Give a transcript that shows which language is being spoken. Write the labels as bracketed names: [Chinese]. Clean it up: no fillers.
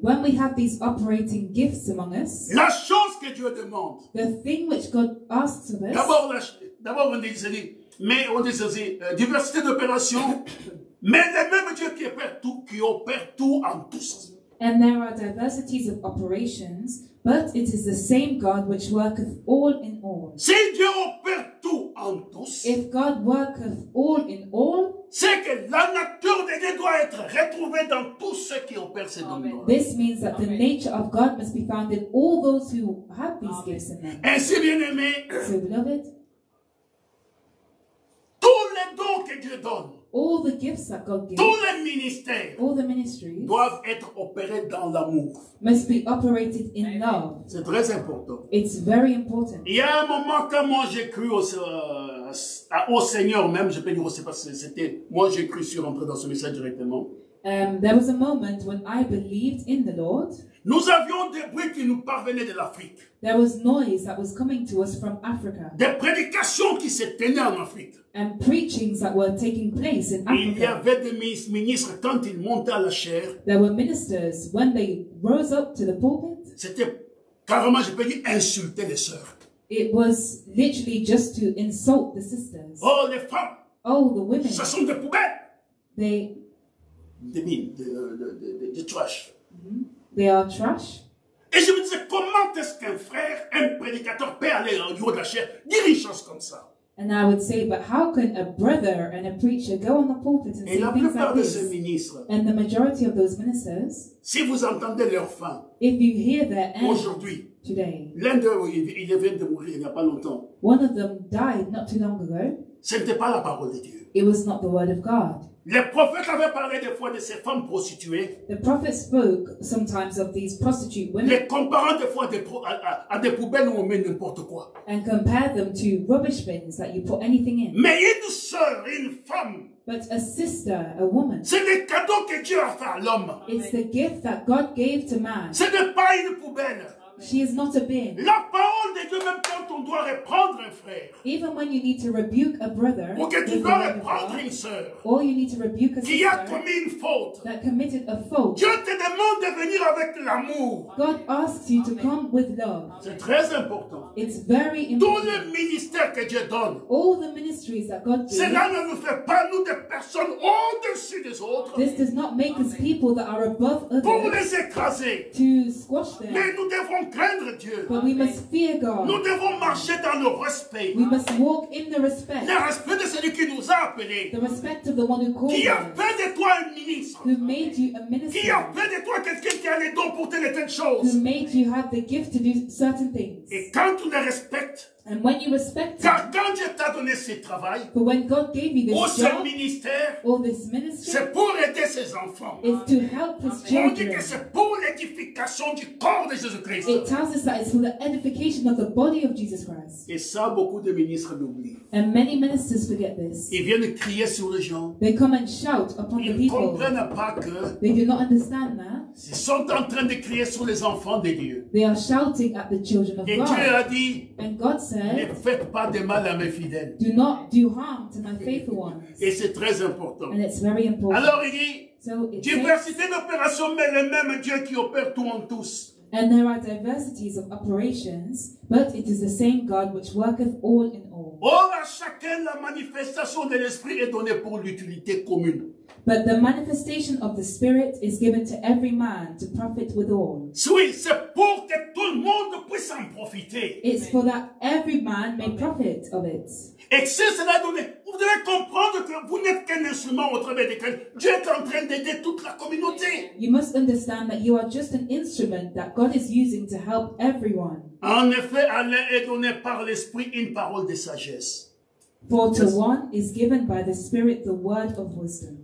[English] when we have these operating gifts among us, [French] la chose que Dieu demande, [English] the thing which God asks of us, [French] d'abord on dit ceci, mais on dit ceci, diversité d'opérations, mais le même Dieu qui opère tout en tous. [English] And there are diversities of operations. But it is the same God which worketh all in all. [French] Si Dieu opère tout en tous, [English] if God worketh all in all, [French] c'est que la nature de Dieu doit être retrouvée dans tous ceux qui opèrent ces dons. [English] This means that the nature of God must be found in all those who have these gifts in them. [French] Ainsi bien aimé, [English] so beloved, [French] tous les dons que Dieu donne, [English] all the gifts that God gives, [French] tous les ministères, [English] all the ministries, [French] doivent être opérés dans l'amour. [English] Must be operated in love. [French] C'est très important. [English] It's very important. [French] Il y a un moment quand moi j'ai cru au Seigneur, même je peux dire, c'est parce que c'était moi j'ai cru sur entrer dans ce message directement. [English] There was a moment when I believed in the Lord. [French] Nous avions des bruits qui nous parvenaient de l'Afrique. [English] There was noise that was coming to us from Africa. [French] Des prédications qui se tenaient en Afrique. [English] And preachings that were taking place in Africa. [French] Il y avait des ministres quand ils montaient à la chaire. [English] There were ministers when they rose up to the pulpit. [French] C'était carrément, je peux dire, insulter les sœurs. [English] It was literally just to insult the sisters. [French] Oh, les femmes. [English] Oh, the women. [French] Ce sont des poubelles. [English] They. [French] Des mines, de trash. Mm-hmm. [English] They are trash. [French] Et je me disais, comment est-ce qu'un frère, un prédicateur, peut aller au haut de la chair, dire une chose comme ça? [English] And I would say, but how can a brother and a preacher go on the pulpit and [French] et [English] say things like this? [French] Ces ministres, [English] and the majority of those ministers, [French] si vous entendez leur fin, [English] if you hear their end, [French] aujourd'hui, [English] today, [French] l'un d'eux, il vient de mourir il n'y a pas longtemps. [English] One of them died not too long ago. [French] Ce n'était pas la parole de Dieu. [English] It was not the word of God. [French] Les prophètes avaient parlé des fois de ces femmes prostituées. [English] The prophets spoke sometimes of these prostitute women. [French] Les comparant des fois à des poubelles où on met n'importe quoi. [English] And compare them to rubbish bins that you put anything in. [French] Mais une sœur, une femme. [English] But a sister, a woman. [French] C'est le cadeau que Dieu a fait à l'homme. [English] It's the gift that God gave to man. [French] Ce n'est pas une poubelle. [English] She is not a bin. [French] La parole de Dieu, même quand on doit reprendre un frère, [English] even when you need to rebuke a brother, [French] ou que tu dois reprendre une sœur, [English] or you need to rebuke a [French] qui [English] sister [French] a commis une faute, [English] that committed a fault, [French] Dieu te demande de venir avec l'amour. [English] God asks you to come with love. [French] C'est très important. [English] It's very important. [French] Tout le ministère que Dieu donne, [English] all the ministries that God gives, [French] cela ne nous fait pas nous des personnes au-dessus des autres. [English] This does not make us people that are above others. [French] Pour les écraser, [English] to squash them. [French] Mais nous devons craindre Dieu. [English] But we must fear God. [French] Nous devons marcher dans le respect. [English] We must walk in the respect. [French] Le respect de celui qui nous a appelé. [English] The respect of the one who called us. [French] Qui a fait de toi un ministre. [English] Who made you a minister. [French] Qui a fait de toi quelqu'un qui a les dons pour telle et telle chose. [English] Who made you have the gift to do certain things. [French] Et quand tu le respectes. [English] And when you respect him. [French] Car quand je Dieu t'a donné ce travail, [English] but when God gave me this job, [French] ministère, [English] or this ministry, [French] c'est pour aider ses enfants. [English] It's to help his children. [French] On dit que c'est pour l'édification du corps de Jésus-Christ. [English] It tells us that it's for the edification of the body of Jesus Christ. [French] Et ça, beaucoup de ministres l'oublient. [English] And many ministers forget this. [French] Ils viennent crier sur les gens. [English] They come and shout upon [French] ils [English] the people. [French] Ils comprennent pas que. [English] They do not understand that. [French] Ils sont en train de crier sur les enfants de Dieu. [English] They are shouting at the children of [French] et [English] God. [French] Et Dieu a dit. [English] And God said, [French] ne faites pas de mal à mes fidèles. [English] Do not do harm to my faithful ones. [French] Et c'est très important. [English] And it's very important. [French] Alors il dit, diversité d'opérations, mais le même Dieu qui opère tout en tous. [English] And there are diversities of operations, but it is the same God which worketh all in all. [French] Or à chacun la manifestation de l'Esprit est donnée pour l'utilité commune. [English] But the manifestation of the Spirit is given to every man to profit with all. [French] Oui, c'est pour que tout le monde puisse en profiter. [English] It's for that every man may profit of it. [French] Et si cela donné, vous devez comprendre que vous n'êtes qu'un instrument au travers duquel Dieu est en train d'aider toute la communauté. [English] You must understand that you are just an instrument that God is using to help everyone. [French] En effet, à l'un est donné par l'Esprit une parole de sagesse. [English] For to one is given by the Spirit the word of wisdom.